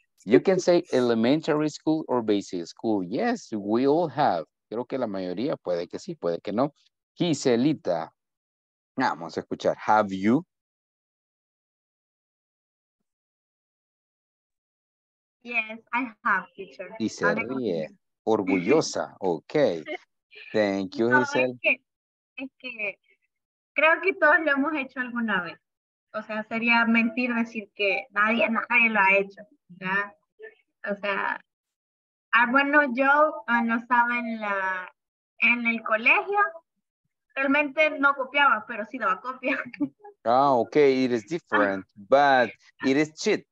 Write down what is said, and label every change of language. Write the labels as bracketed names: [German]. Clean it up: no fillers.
[English] You can say elementary school or basic school. Yes, we all have. [Spanish] Creo que la mayoría puede que sí, puede que no. Giselita, vamos a escuchar. [English] Have you? Yes, I have, teacher. [Spanish] Y se ríe. Orgullosa. Ok. [English] Thank you, [Spanish] Giselle. No, es que creo que todos lo hemos hecho alguna vez. O sea, sería mentir decir que nadie lo ha hecho. ¿Ya? O sea... Ah, bueno, yo no estaba en el colegio. Realmente no copiaba, pero sí daba copia. [English] Ah, okay, it is different, but it is cheat.